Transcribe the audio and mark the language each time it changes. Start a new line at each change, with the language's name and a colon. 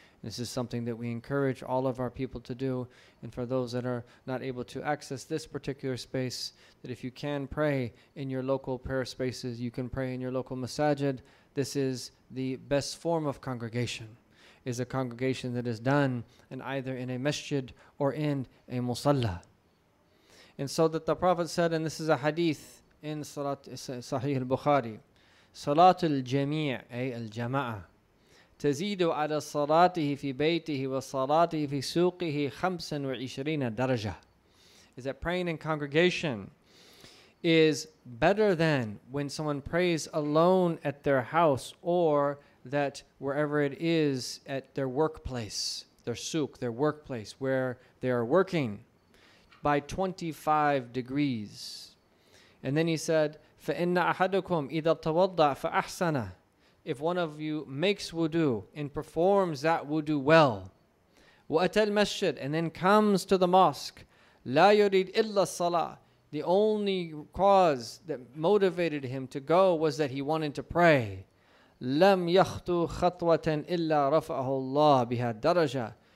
English: This is something that we encourage all of our people to do. And for those that are not able to access this particular space, that if you can pray in your local prayer spaces, you can pray in your local masajid. This is the best form of congregation, is a congregation that is done in either in a masjid or in a musalla. And so that the Prophet said, and this is a hadith in Sahih al-Bukhari,
Arabic: صلاة الجميع أي الجماعة تزيد على صلاته في بيته وصلاته في سوقه 25 درجة.
English: Is that praying in congregation is better than when someone prays alone at their house or that wherever it is at their workplace, their souk, their workplace where they are working by 25 degrees. And then he said,
Arabic: فَإِنَّ أَحَدُكُمْ إِذَا تَوَضَّعَ فَأَحْسَنَ.
English: If one of you makes wudu and performs that wudu well,
Arabic: وَأَتَى الْمَسْجِدْ,
English: and then comes to the mosque,
Arabic: لَا يُرِيدْ إِلَّا الصَّلَاةِ.
English: The only cause that motivated him to go was that he wanted to pray.
Arabic: لَمْ يَخْطُ خَطْوَةً إِلَّا رَفَعَهُ اللَّهُ بِهَا الدَّرَجَةِ.